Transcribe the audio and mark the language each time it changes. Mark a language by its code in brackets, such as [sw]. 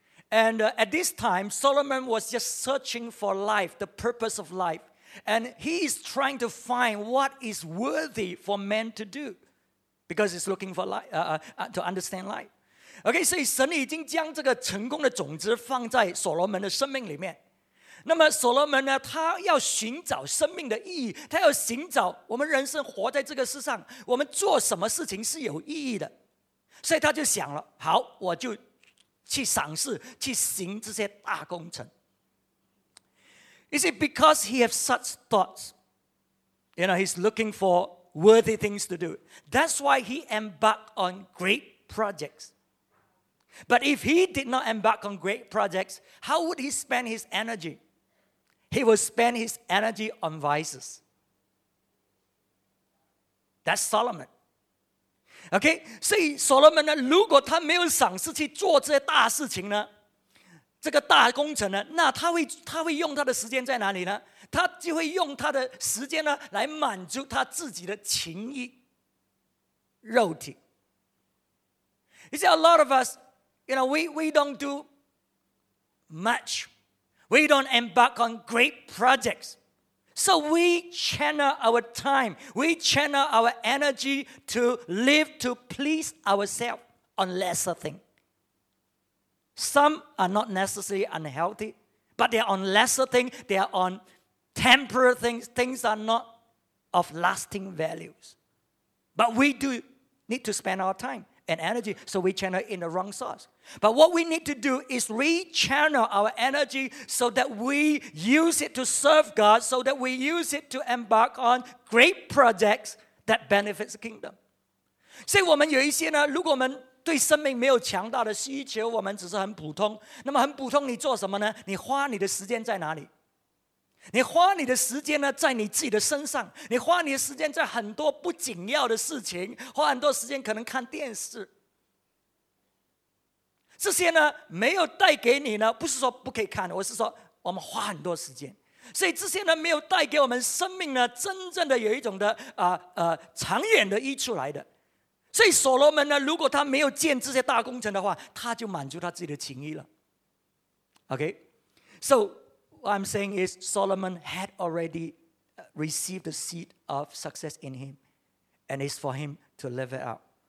[en] And at this time, Solomon was just searching for life, the purpose of life. And he is trying to find what is worthy for man to do. Because he's looking for life, to understand life. [zh] Okay, so 神已经将这个成功的种子放在所罗门的生命里面。那么所罗门呢，他要寻找生命的意义，他要寻找我们人生活在这个世上，我们做什么事情是有意义的。所以他就想了，好，我就去赏识，去行这些大工程。 [en] Is it because he has such thoughts? You know, he's looking for worthy things to do. That's why he embarked on great projects. But if he did not embark on great projects, how would he spend his energy? He would spend his energy on vices. That's Solomon. [zh] OK， 所以所罗门呢，如果他没有赏识去做这些大事情呢，这个大工程呢，那他会用他的时间在哪里呢？他就会用他的时间呢来满足他自己的情欲肉体。 [en] You see, a lot of us, you know, we don't do much. We don't embark on great projects. So we channel our time, we channel our energy to live to please ourselves on lesser things. Some are not necessarily unhealthy, but they are on lesser things, they are on temporal things, things are not of lasting values. But we do need to spend our time and energy, so we channel in the wrong source. But what we need to do is re-channel our energy so that we use it to serve God, so that we use it to embark on great projects that benefits the kingdom. [zh] 所以我们有一些呢，如果我们对生命没有强大的需求，我们只是很普通，那么很普通你做什么呢？你花你的时间在哪里？你花你的时间呢，在你自己的身上，你花你的时间在很多不紧要的事情，花很多时间可能看电视，这些呢没有带给你呢，不是说不可以看，我是说我们花很多时间，所以这些呢没有带给我们生命呢真正的有一种的长远的益处来的。所以所罗门呢，如果他没有建这些大工程的话，他就满足他自己的情欲了。 [en] OK， SoWhat I'm saying is Solomon had already received the seed of success in him, and it's for him to live it out.